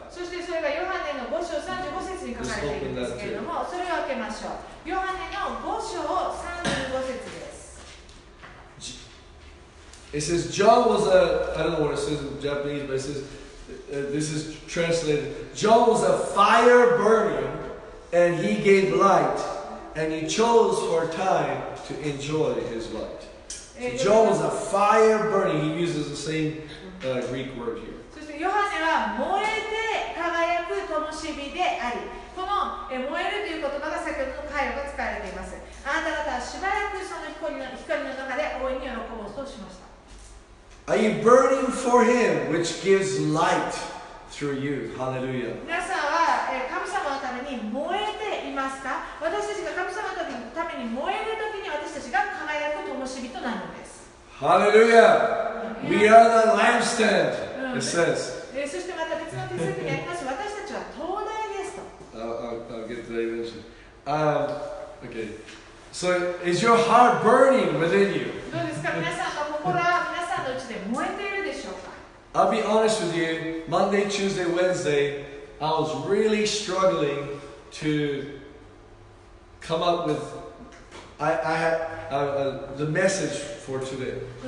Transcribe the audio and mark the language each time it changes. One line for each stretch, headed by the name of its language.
Japanese: そしてそれがヨハネの5章35節に書かれているんですけれども、それを開けましょう。ヨハネの5章35節です。
English: It says, John was a, I don't know what it says in Japanese, but it says, this is translated, John was a fire burning, and he gave light, and he chose for a time to enjoy his light. So、John was a fire burning. He uses the same、Greek word here.
Japanese: そしてヨハネは燃えて輝く灯火であり、この燃えるという言葉が先ほどの回路が使われています。あなた方はしばらくその光の中で大いに喜ぼうとしました。
English: Are you burning for him which gives light through you? Hallelujah.
Japanese: 皆さんは神様のために燃えていますか？私たちが神様のために燃えるときに私たちが輝く灯火となるのです。
English: Hallelujah! We are the lampstand, it says.
Japanese: そしてまた別の手続きにあります。私たちは灯台ですと。
English: I'll get to that eventually. Okay. So, is your heart burning within you?
Japanese: どうですか？皆さんの心は皆さんのうちで燃えているでしょうか？
English: I'll be honest with you, Monday, Tuesday, Wednesday, I was really struggling to come up with the message for today.